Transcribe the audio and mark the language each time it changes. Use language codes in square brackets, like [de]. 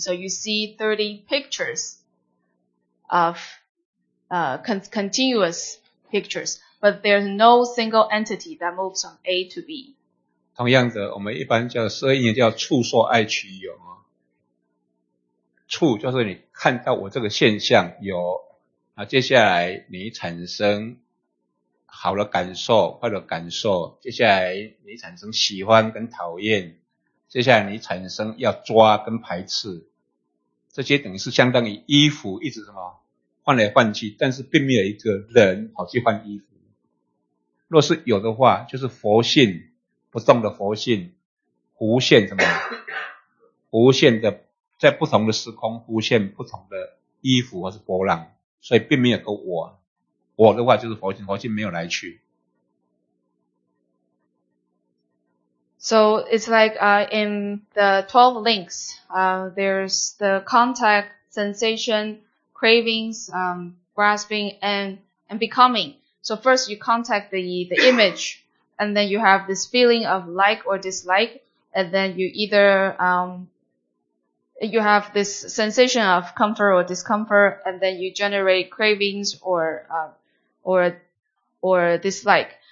[en] So you see 30 pictures of continuous pictures, but there's no single entity that moves from A to B. [zh] 同样的，我们一般叫十二因缘叫触受爱取有嘛。触就是你看到我这个现象有，那接下来你产生好的感受、坏的感受，接下来你产生喜欢跟讨厌。接下来你产生要抓跟排斥，这些等于是相当于衣服一直什么换来换去，但是并没有一个人跑去换衣服。若是有的话，就是佛性不动的佛性，无限什么，无限的在不同的时空，无限不同的衣服或是波浪，所以并没有个我。我的话就是佛性，佛性没有来去。 [en] So it's like in the 12 links, there's the contact, sensation, cravings, grasping, and becoming. So first you contact the image, and then you have this feeling of like or dislike, and then you either you have this sensation of comfort or discomfort, and then you generate cravings or dislike.